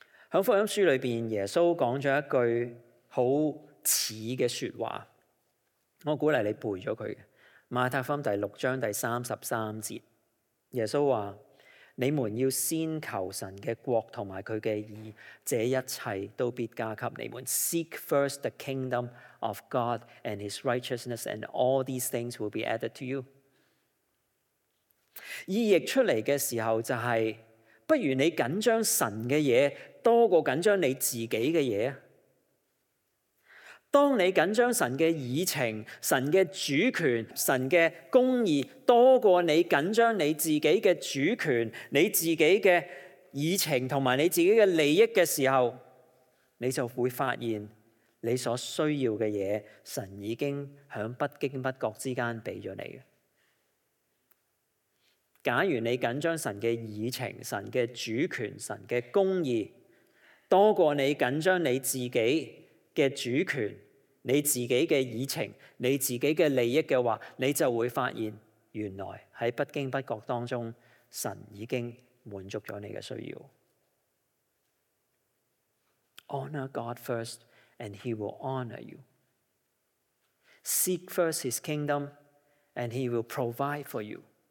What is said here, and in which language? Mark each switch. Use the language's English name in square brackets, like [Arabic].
[Chinese] 在福音书里面，耶稣讲了一句很似的说话，我鼓励你背了他。马太福音第六章第33节，耶稣说，你们要先求神的国和他的义，这一切都必加给你们。 [English] Seek first the kingdom of God and his righteousness, and all these things will be added to you。 [Chinese] 意译出来的时候就是，不如你紧张神的事多过紧张你自己的事。当你紧张神的议程、神的主权、神的公义多过你紧张你自己的主权、你自己的议程和你自己的利益的时候，你就会发现你所需要的东西，神已经在不经不觉之间给了你。假如你紧张神的议程、神的主权、神的公义多过你紧张你自己的主权、你自己的议程、你自己的利益的话，你就会发现原来在不经不觉当中，神已经满足了你的需要。 [English] Honor God first and he will honor you. Seek first his kingdom and he will provide for you.